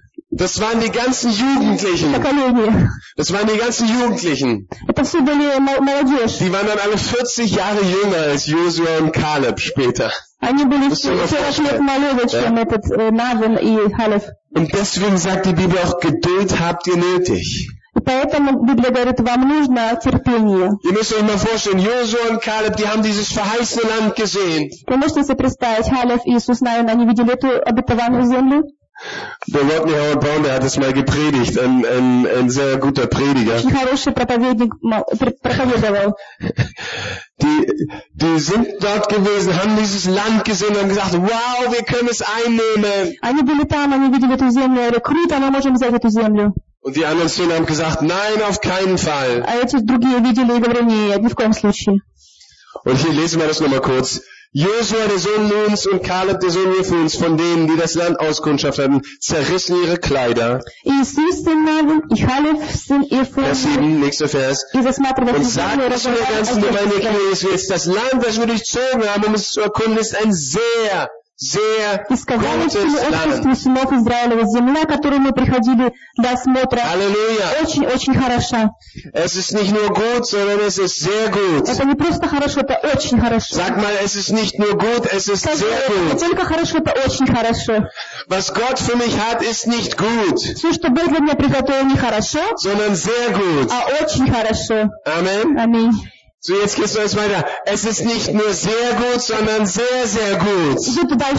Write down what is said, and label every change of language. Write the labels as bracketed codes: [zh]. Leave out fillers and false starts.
[de] Das waren die ganzen Jugendlichen. Das waren die ganzen Jugendlichen. Die waren dann alle 40 Jahre jünger als Joshua und Caleb später. Und deswegen sagt die Bibel auch, Geduld habt ihr nötig. [ru] И поэтому Библия говорит, вам нужно терпение. [de] Ihr müsst euch mal vorstellen, Joshua und Caleb, die haben dieses verheißene Land gesehen. [ru] Вы можете себе представить, Халев и Иисус, наверное, они видели эту обетованную землю? [de] Der Rodney Howard Brown, der hat es mal gepredigt, ein sehr guter Prediger. [ru] Очень хороший проповедник проповедовал. [de] Die sind dort gewesen, haben dieses Land gesehen und haben gesagt, wow, wir können es einnehmen. [ru] Они были там, они видели эту землю, говорят, круто, мы можем взять эту землю. [de] Und die anderen 10 haben gesagt, nein, auf keinen Fall. [ru] А эти другие видели и говорили, нет, ни в коем случае. [de] Und hier lesen wir das nochmal kurz. Joshua, der Sohn Nuns, und Caleb, der Sohn Jephuns, von denen, die das Land auskundschaft hatten, zerrissen ihre Kleider. [ru] Иисус, сын Навин, и Халев, сын Ефон. [de] Vers 7, nächster Vers. [ru] И засматривая землю, разобрали, и засматривая землю, и сказали, [de] das Land, das wir durchzogen haben, um es zu erkunden, ist ein sehr, sehr gutes Land. [ru] Израилева, земля, которую мы приходили для осмотра, Halleluja. Очень, очень хороша. [de] Es ist nicht nur gut, sondern es ist sehr gut. [ru] Это не просто хорошо, это очень хорошо. [de] Sag mal, es ist nicht nur gut, es ist [ru] Скажи, [de] sehr gut. [ru] Это только хорошо, это очень хорошо. [de] Was Gott für mich hat, ist nicht gut. [ru] Все, что Бог для меня приготовил, не хорошо, [de] sondern sehr gut. [ru] А очень хорошо. Amen. Amen. [de] So, jetzt gehst du jetzt weiter. Es ist nicht nur sehr gut, sondern sehr, sehr gut. Amen.